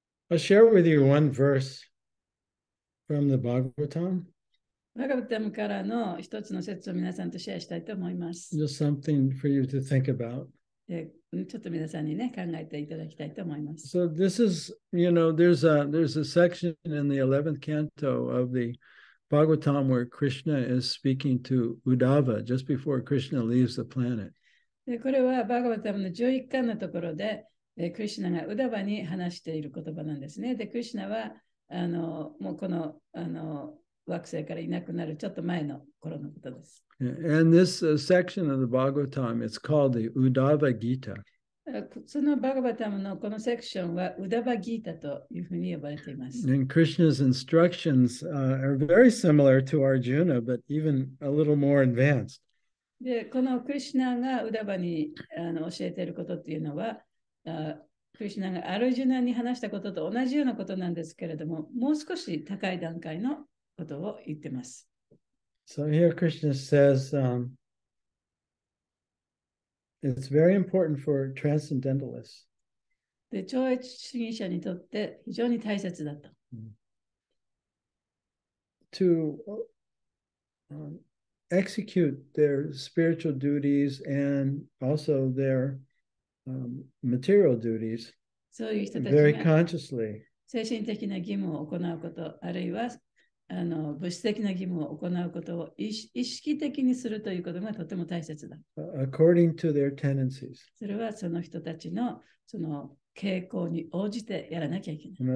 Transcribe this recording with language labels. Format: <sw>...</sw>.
<en>I'll share with you one verse from the Bhagavatam.</en> <ja>バガヴァッドからの一つの節を皆さんとシェアしたいと思います。</ja> <en>Just something for you to think about.</en> <ja>ちょっと皆さんにね、考えていただきたいと思います。</ja> <en>So this is, you know, there's a section in the 11th canto of the Bhagavatam where Krishna is speaking to Uddhava just before Krishna leaves the planet.</en> <ja>で、これはバガヴァッドの11巻のところで、クリシュナがウダバに話している言葉なんですね。で、クリシュナはもうこの惑星からいなくなるちょっと前の頃のことです。</ja> <en>And this section of the Bhagavatam, it's called the Uddhava Gita.</en> <ja>そのバガヴァタムのこのセクションはウダバギータというふうに呼ばれています。</ja> <en>And Krishna's instructions are very similar to Arjuna, but even a little more advanced.</en> <ja>で、このクリシュナがウダバに教えていることっていうのは、クリシュナがアルジュナに話したことと同じようなことなんですけれども、もう少し高い段階のことを言ってます。</ja> <en>So here Krishna says, it's very important for transcendentalists.</en> <ja>で、超越主義者にとって非常に大切だと。</ja> <en>To execute their spiritual duties and also their material duties very consciously.</en> <ja>精神的な義務を行うこと、あるいは物質的な義務を行うことを意識的にするということがとても大切だ。</ja> <en>According to their tendencies.</en> <ja>それはその人たちのその傾向に応じてやらなきゃいけない。</ja>